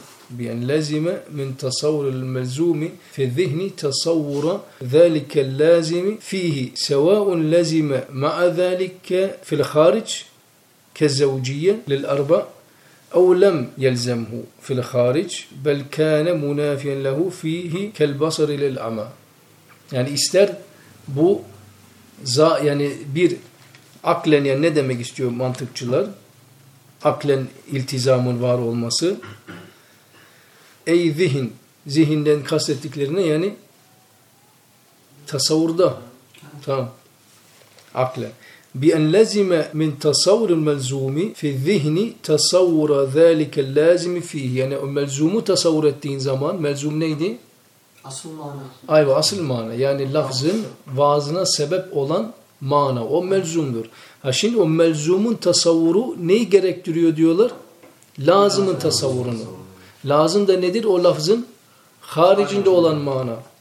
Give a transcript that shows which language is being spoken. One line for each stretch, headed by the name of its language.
Arabic: بأن لزم من تصور الملزوم في الذهن تصور ذلك اللازم فيه سواء لزم مع ذلك في الخارج كزوجية للأربع أو لم يلزمه في الخارج بل كان منافيا له فيه كالبصر للعمى
Turkish: Yani ister bu yani bir aklen yani ne demek istiyor mantıkçılar? Aklen iltizamın var olması. Ey zihin, zihinden kastettiklerine yani tasavvurda. Tamam. Aklen.
Arabic: بأن لزم من تصور الملزوم في الذهن تصور ذلك اللازم فيه.
Turkish: Yani o melzumu tasavvur ettiğin zaman melzum neydi? Asıl mana. Ayva asıl mana. Yani lafzın vaazına sebep olan mana. O melzumdur. Ha şimdi o melzumun tasavvuru neyi gerektiriyor diyorlar? Lazımın tasavvurunu. Lazım da nedir? O lafzın haricinde olan mana.